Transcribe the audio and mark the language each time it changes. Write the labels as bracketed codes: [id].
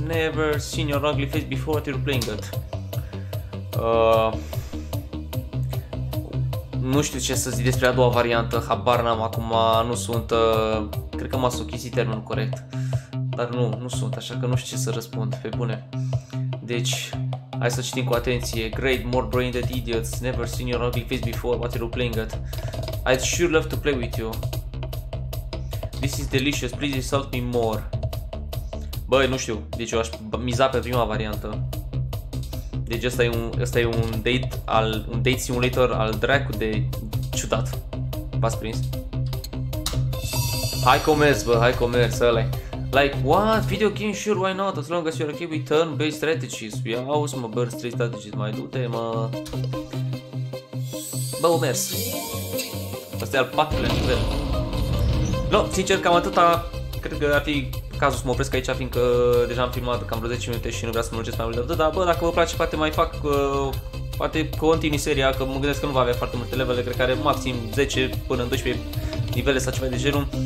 [en] Never seen your ugly face before what you're playing at. [ro] Nu știu ce să zic despre a doua variantă. Habar n-am acum, nu sunt... cred că m-a suchisit termenul corect. Dar nu, nu sunt, așa că nu știu ce să răspund, pe bune. Deci, hai să citim cu atenție. [en] Great, more brain-dead idiots, never seen your ugly face before, what are you playing at? I'd sure love to play with you. This is delicious, please insult me more. [ro] Băi, nu știu, deci eu aș miza pe prima variantă. Deci ăsta e un date al, un date simulator al dracu de ciudat. V-ați prins? Hai că o mers, bă, hai că o mers, ăla-i. [en] Like, what? Video game? Sure, why not? As long as you're okay with turn-based strategies. [ro] Ia, auzi, mă, [en] burst 3 strategies, [ro] mai du-te, mă. Bă, o mers. Asta e al patrulea nivel. No, sincer, cam atâta. Cred că ar fi cazul să mă opresc aici, fiindcă deja am filmat cam vreo 10 minute și nu vreau să mă lungesc mai mult de atât. Dar, bă, dacă vă place, poate mai fac, poate continui seria, că mă gândesc că nu va avea foarte multe levele, cred că are maxim 10 până în 12 nivele sau ceva de genul.